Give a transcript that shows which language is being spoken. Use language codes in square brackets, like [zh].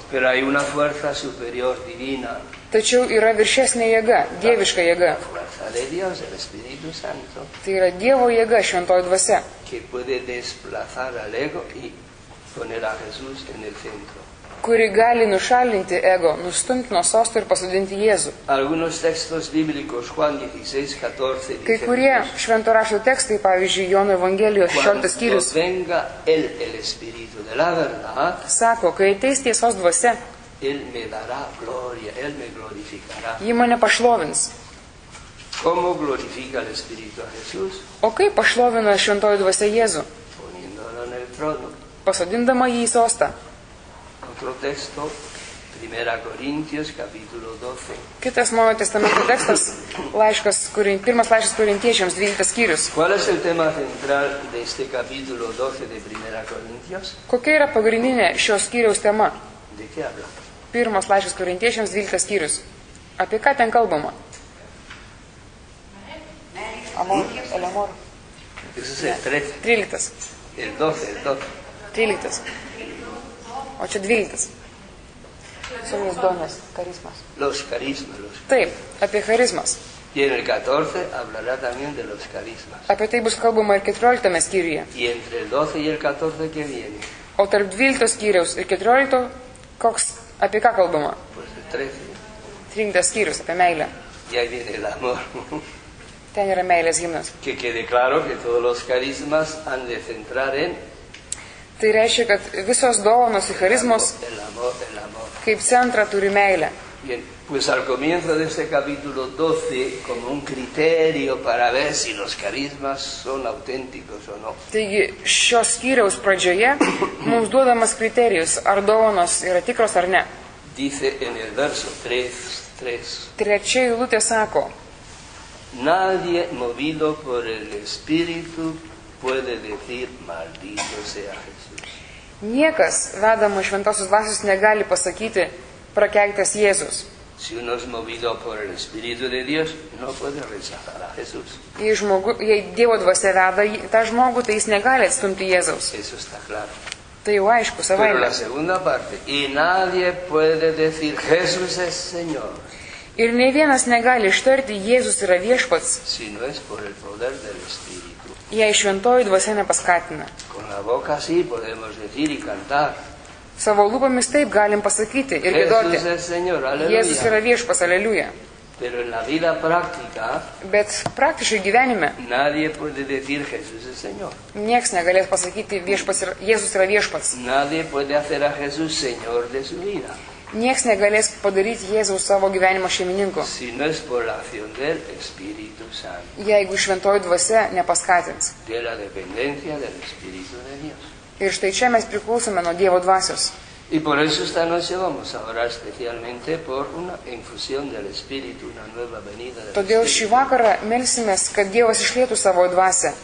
[es] Pero hay una fuerza superior divina. [lt] Tačiau yra viršesnė jėga, dieviška jėga. [es] Dios, el Espíritu Santo. [lt] Tai yra Dievo jėga šventoji dvasia. [es] Que puede desplazar al ego y poner a Jesús en el centro. [lt] Kuri gali nušalinti ego, nustumti nuo sosto ir pasodinti Jėzų. [es] Algunos textos bíblicos, Juan 16, 14, dice. [lt] Kai kurie švento rašto tekstai, pavyzdžiui, Jono Evangelijos 16 skyrius. [es] Cuando venga él, el Espíritu de la verdad. [lt] Sako, kai ateis tiesos dvasia. [es] Él me dará gloria, él me glorificará. [lt] Jį mane pašlovins. [es] ¿Cómo glorifica el Espíritu a Jesús? [lt] O kaip pašlovina šventoji dvasia Jėzų? [es] Poniéndolo en el trono. [lt] Pasodindama jį į sostą. [es] Otro texto, 1 Corintios, capítulo 12. [lt] Kitas mano testamento tekstas, pirmas laiškas korintiečiams, 12 skyrius. [es] ¿Cuál es el tema central de este capítulo 12 de 1 Corintios? [lt] Kokia yra pagrindinė šio skyriaus tema? [es] ¿De qué habla? [lt] Pirmas laiškas korintiečiams, 12 skyrius. Apie ką ten kalbama? [es] Amor, el amor. Ese es el 13. 13. El 12, el 12. [lt] 13. O čia 12. Sumis donas, karizmas. [es] Los karizmas. [lt] Taip, apie karizmas. [es] Y en el 14 hablará también de los karizmas. [lt] Apie tai bus kalbama ir 14 skyriuje. [es] Y entre el 12 y el 14, ¿qué viene? [lt] O tarp 12 skyriaus ir 14, koks, apie ką kalbama? [es] Pues el 13. [lt] 13 skyrius, apie meilę. [es] Y ahí viene el amor. [lt] Ten yra meilės himnas. [es] Que quede claro que todos los karizmas han de centrar en. [lt] Tai reiškia, kad visos dovanos ir charizmos kaip centrą turi meilę. [es] Bien, pues al comienzo de este capítulo 12, como un criterio para ver si los carismas son auténticos o no. [lt] Taigi, šios skyriaus pradžioje mums duodamas kriterijus, ar dovanos yra tikros ar ne. [es] Dice en el verso 3. [lt] Trečia eilutė sako. [es] Nadie movido por el Espíritu puede decir maldito sea Jesús. [lt] Niekas vedamas šventosios dvasios negali pasakyti prakeiktas Jėzus. [es] Si uno es movido por el Espíritu de Dios, no puede rechazar a Jesús. [lt] Jei Dievo dvasia veda tą žmogų, tai jis negali atstumti Jėzaus. [es] Eso está claro. [lt] Tai jau aišku, savaime. [es] Pero la segunda parte. Y nadie puede decir Jesús es Señor. [lt] Ir nei vienas negali ištarti Jėzus yra viešpats. [es] Si no es por el poder del Espíritu. [lt] Jei šventoji dvasia nepaskatina. [es] Con la boca sí podemos decir y cantar. [lt] Savo lūpomis taip galim pasakyti ir gėdoti. Jėzus yra viešpas, aleliuja. [es] Pero en la vida práctica, [lt] bet praktiškai gyvenime [es] nadie puede decir Jesús es Señor. [lt] Nieks negalės pasakyti, Jėzus yra viešpats. [es] Nadie puede hacer a Jesús Señor de su vida. [lt] Nieks negalės padaryti Jėzaus savo gyvenimo šeimininku. [es] Si no es por la acción del Espíritu Santo. [lt] Jeigu šventoji dvasia nepaskatins. [es] De la dependencia del Espíritu de Dios. [lt] Ir štai čia mes priklausome nuo Dievo dvasios. [es] Y por eso esta noche vamos a orar especialmente por una infusión del Espíritu, una nueva venida del Espíritu. [lt] Todėl šį vakarą melsimės, kad Dievas išlietų savo dvasią.